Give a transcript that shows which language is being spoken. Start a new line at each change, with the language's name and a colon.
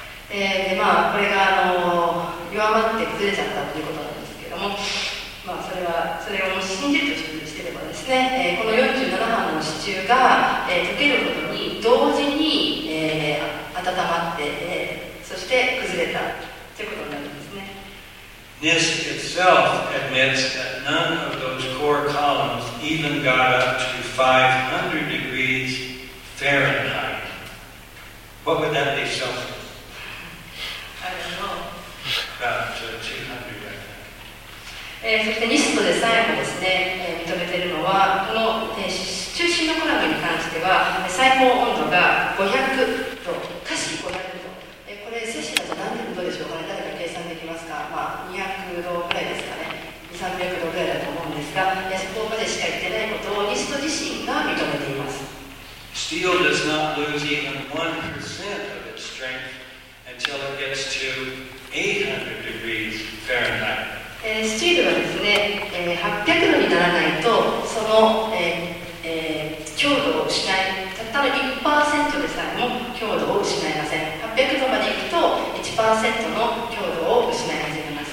Japanese: でまあこれが弱まって崩れちゃったということなんですけども、まあそれをもし信じるとしてればですね、この47番の支柱が、溶けるごとに同時に、温まって、そして崩れたということになるんですね。
English: NIST itself admits that none of those core columns even got up to 500 degrees Fahrenheit. What would that be Celsius? I don't know. About 200, I think.
Japanese: そして NIST で最後ですね、認めているのは、この、中心のコラムに関しては、最高温度が500度、華氏500度。これ、摂氏だと何度でしょうかね。誰か計算できますか。まあ、200度くらいですかね。 300度くらいだと思うんですが、そこまでしか言ってないことをリスト自身が認めています。
English: Steel does not lose even 1% of its strength until it gets to 800 degrees Fahrenheit.
Japanese: スチールはですね、800度にならないとその、強度を失い、たったの 1% でさえも強度を失いません。 800度までいくと 1% の強度を失います。